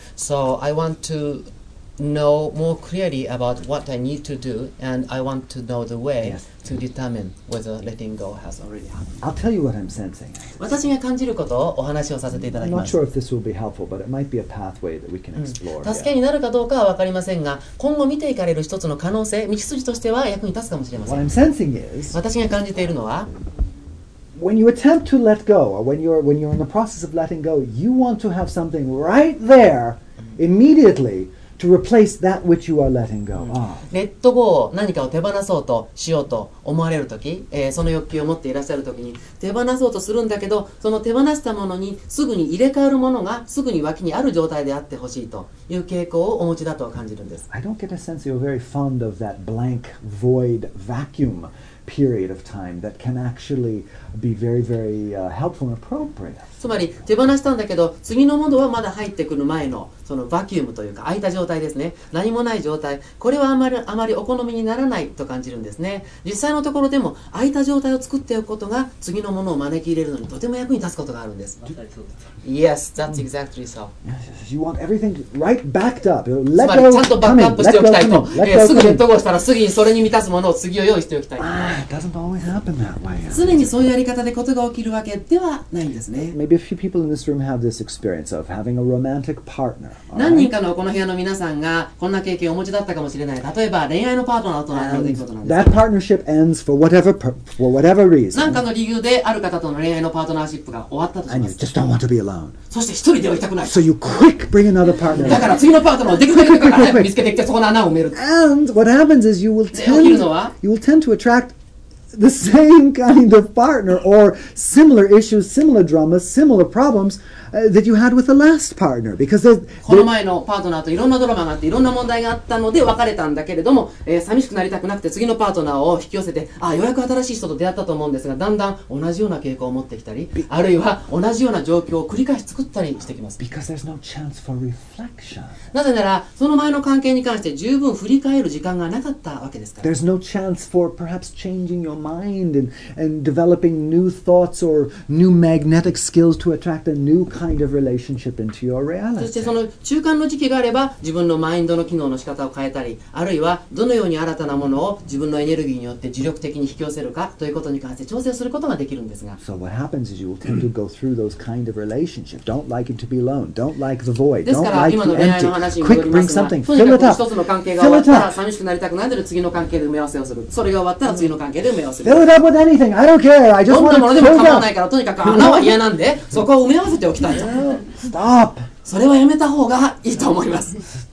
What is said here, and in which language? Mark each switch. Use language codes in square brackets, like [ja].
[en] So I want toknow more clearly about what I need to do, and I want to know the way to determine whether letting go has already happened. I'll tell you what I'm sensing. [ja] 私が感じることをお話をさせていただきます。 [en] I'm not sure if this will be helpful, but it might be a pathway that we can explore. [ja] 助けになるかどうかは分かりませんが、今後見ていかれる一つの可能性、道筋としては役に立つかもしれません。 [en] What I'm sensing is, [ja] 私が感じているのは、 [en] When you attempt to let go, or when you're in the process of letting go, you want to have something right there, immediately,To replace that which you are letting go. [ja] Let go を何かを手放そうとしようと思われるとき、その欲求を持っていらっしゃるときに、手放そうとするんだけど、その手放したものにすぐに入れ替わるものがすぐに脇にある状態であってほしいという傾向をお持ちだと感じるんです。 [en] I don't get a sense you're very fond of that blank, void, vacuum period of time that can actually be very, very helpful and appropriate. [ja] つまり手放したんだけど、次のものはまだ入ってくる前のそのバキュームというか空いた状態ですね、何もない状態、これはあまりお好みにならないと感じるんですね。実際のところでも空いた状態を作っておくことが次のものを招き入れるのにとても役に立つことがあるんです。 [en] Yes, that's exactly so. You want everything right backed up. Let go, come [ja] つまりちゃんとバックアップしておきたいと、すぐにレッドゴーしたらすぐにそれに満たすものを次を用意しておきたい。 [en] Doesn't always happen that way. [ja] 常にそういうやり方でことが起きるわけではないんですね。 [en] Maybe a few people in this room have this experience of having a romantic partner. [ja] 何人かのこの部屋の皆さんがこんな経験をお持ちだったかもしれない。例えば恋愛のパートナーとの出来事なんです。 [en] That partnership ends for whatever reason. [ja] 何かの理由である方との恋愛のパートナーシップが終わったとします。 [en] And you just don't want to be alone. [ja] そして一人ではいたくない。 [en] So you quick bring another partner. [ja] だから次のパートナーをできるだけ早く見つけてきてそこの穴を埋める。 [en] And what happens is you will tend to attract the same kind of partner or similar issues, similar dramas, similar problems. That you had with the last partner, because [ja] この前のパートナーといろんなドラマがあっていろんな問題があったので別れたんだけれども、寂しくなりたくなくて次のパートナーを引き寄せて、ああようやく新しい人と出会ったと思うんですが、だんだん同じような傾向を持ってきたり、あるいは同じような状況を繰り返し作ったりしてきます。 [en] Because there's no chance for reflection. [ja] なぜならその前の関係に関して十分振り返る時間がなかったわけですから。 [en] There's no chance for perhaps changing your mind and developing new thoughts or new magnetic skills to attract a newKind of relationship into your reality. [ja] そしてその中間の時期があれば自分のマインドの機能の仕方を変えたり、あるいはどのように新たなものを自分のエネルギーによって自力的に引き寄せるかということに関して調整することができるんですが、 [en] So what happens is you will tend to go through those kind of relationships. Don't like it to be alone. Don't like the void. Don't like the empty. Quick, bring something. Fill it up. [ja] とにかく一つの関係が終わったら寂しくなりたくないので次の関係で埋め合わせをする。それが終わったら次の関係で埋め合わせる。 [en] Fill it up with anything. I don't care. I just want to fill it up. [ja] どんなものでも構わないから、とにかく穴は嫌なんでそこを埋め合わせておき [en] Stop. [ja] それはやめた方がいいと思います。